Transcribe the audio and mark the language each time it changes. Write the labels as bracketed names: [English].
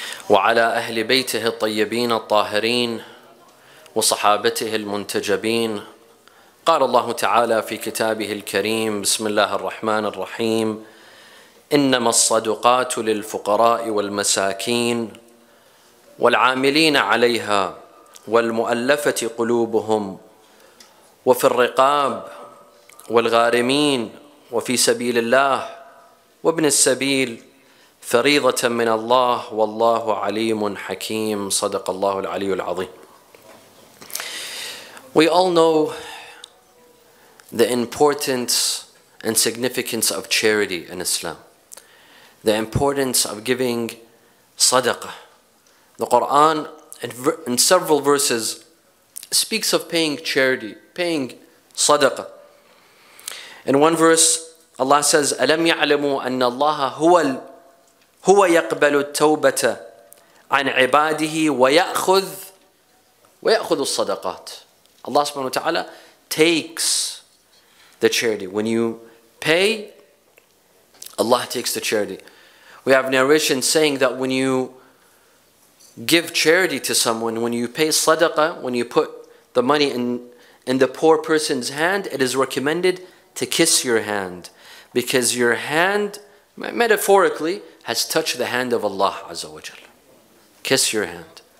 [Arabic] وعلى أهل بيته الطيبين الطاهرين وصحابته المنتجبين قال الله تعالى في كتابه الكريم بسم الله الرحمن الرحيم إنما الصدقات للفقراء والمساكين والعاملين عليها والمؤلفة قلوبهم وفي الرقاب والغارمين وفي سبيل الله وابن السبيل فريضة من الله والله عليم حكيم صدق الله العلي العظيم. [English] We all know the importance and significance of charity in Islam. The importance of giving sadaqah. The Quran in several verses speaks of paying charity, paying sadaqah. In one verse, Allah says, [Arabic] أَلَمْ يَعْلَمُوا أَنَّ اللَّهَ هُوَ يَقْبَلُ التَّوْبَةَ عَنْ عِبَادِهِ وَيَأْخُذُ الصَّدَقَاتِ. [English] Allah subhanahu wa ta'ala takes the charity. When you pay, Allah takes the charity. We have narration saying that when you give charity to someone, when you pay sadaqah, when you put the money in the poor person's hand, it is recommended to kiss your hand, because your hand, metaphorically, has touched the hand of Allah Azza wa Jal. Kiss your hand.